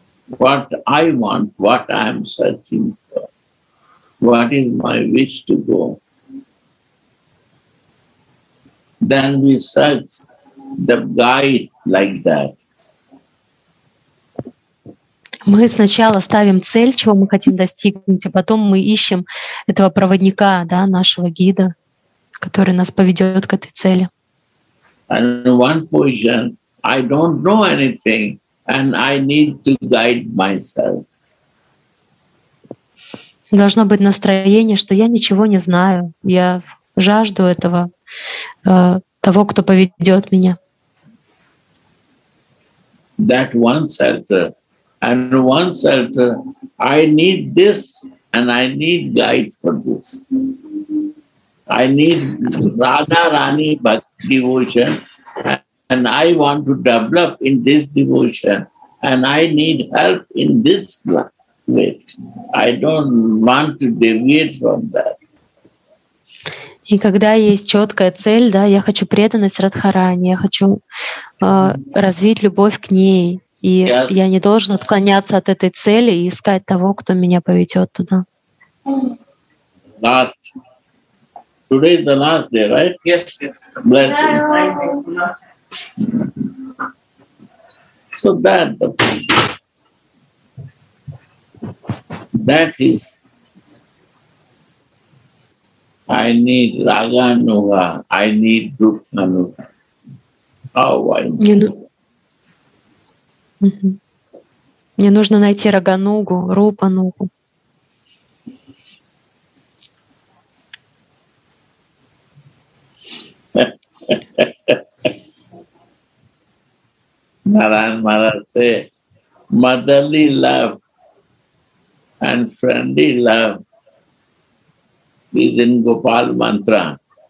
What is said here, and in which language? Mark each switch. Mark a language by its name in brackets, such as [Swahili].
[English] What I want, what I am searching for, what is my wish to go, then we search the guide like that. [Russian] Мы сначала ставим цель, чего мы хотим достигнуть, а потом мы ищем этого проводника, да, нашего гида, который нас поведет к этой цели. [English] And one position, I don't know anything. And I need to guide myself. Должно быть настроение, что я ничего не знаю. Я жажду этого, того, кто поведет меня. That one shelter. And one shelter, I need this, and I need guide for this. I need Radha Rani Bhakti devotion. And I want to develop in this devotion. And I need help in this way. I don't want to deviate from that. [Russian] И когда есть четкая цель, да, я хочу преданность Радхарани, я хочу развить любовь к ней, и yes. Я не должен отклоняться от этой цели и искать того, кто меня поведет туда. [English] Last. Today is the last day, right? Yes, yes. Blessing. So that the that is I need Raga Anuga, I need Dukha Anuga. How I need. [Russian] Мне нужно найти Рага Нугу, Рупа Нугу. [English] Narayan Maharaj say, motherly love and friendly love is in Gopal Mantra.